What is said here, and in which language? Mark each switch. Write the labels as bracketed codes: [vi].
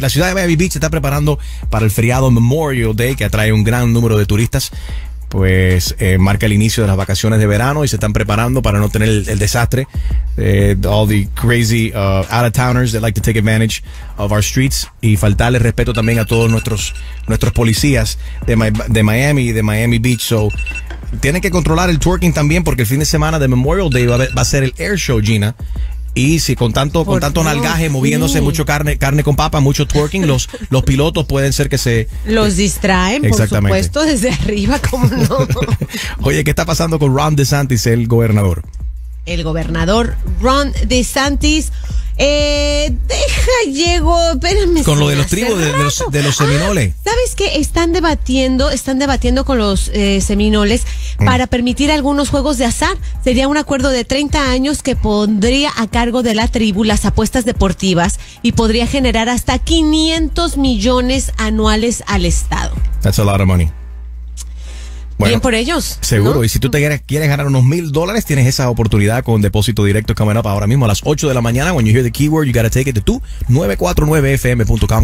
[es] La ciudad de Miami Beach se está preparando para el feriado Memorial Day, que atrae un gran número de turistas. Pues marca el inicio de las vacaciones de verano y se están preparando para no tener el desastre. [en] All the crazy out-of-towners that like to take advantage of our streets. [es] Y faltarle respeto también a todos nuestros policías de Miami y de Miami Beach. So tienen que controlar el twerking también, porque el fin de semana de Memorial Day va a ser el air show, Gina. Y si con tanto nalgaje, moviéndose, sí, mucho carne con papa, mucho twerking, los pilotos pueden ser que se... Los distraen, exactamente, por supuesto, desde arriba, como no. Oye, ¿qué está pasando con Ron DeSantis, el gobernador? El gobernador Ron DeSantis, espérame. Con lo de los tribus, de los seminoles. ¿Sabes qué? Están debatiendo con los seminoles para permitir algunos juegos de azar. Sería un acuerdo de 30 años que pondría a cargo de la tribu las apuestas deportivas y podría generar hasta 500 millones anuales al estado. [en] That's a lot of money. [es] Bueno, bien por ellos. Seguro, ¿no? Y si tú te quieres ganar unos $1,000, tienes esa oportunidad con Depósito Directo [en] coming up [es] ahora mismo a las 8 de la mañana. [en] When you hear the keyword, you gotta take it to 949FM.com.